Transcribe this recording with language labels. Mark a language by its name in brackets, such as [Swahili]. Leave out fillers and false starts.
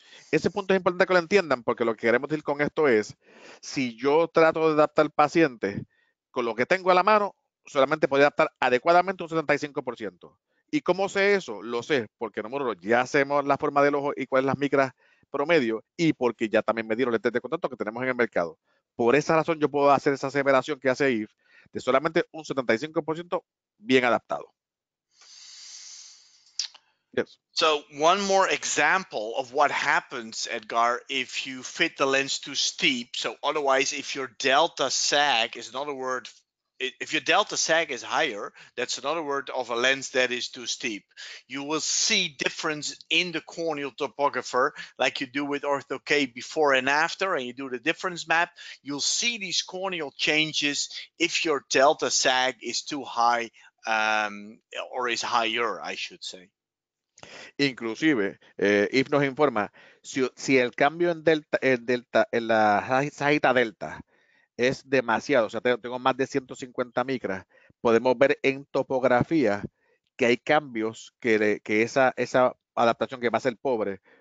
[Spanish] Ese punto es importante que lo entiendan, porque lo que queremos decir con esto es, si yo trato de adaptar al paciente con lo que tengo a la mano, solamente podría adaptar adecuadamente un 75%. ¿Y cómo sé eso? Lo sé, porque número uno, ya sabemos la forma del ojo y cuáles las micras promedio y porque ya también me dieron el test de contacto que tenemos en el mercado. Por esa razón yo puedo hacer esa aseveración que hace Eef de solamente un 75% bien adaptado. [English] Yes. So one more example of what happens, Edgar, if you fit the lens too steep. So otherwise, if your delta sag is another word, if your delta sag is higher, that's another word of a lens that is too steep. You will see difference in the corneal topography, like you do with Ortho-K before and after, and you do the difference map. You'll see these corneal changes if your delta sag is too high or is higher, I should say. [Spanish] Inclusive, Eef nos informa, si el cambio en delta, en la sagita delta es demasiado, o sea, tengo más de 150 micras, podemos ver en topografía que hay cambios que esa adaptación que va a ser pobre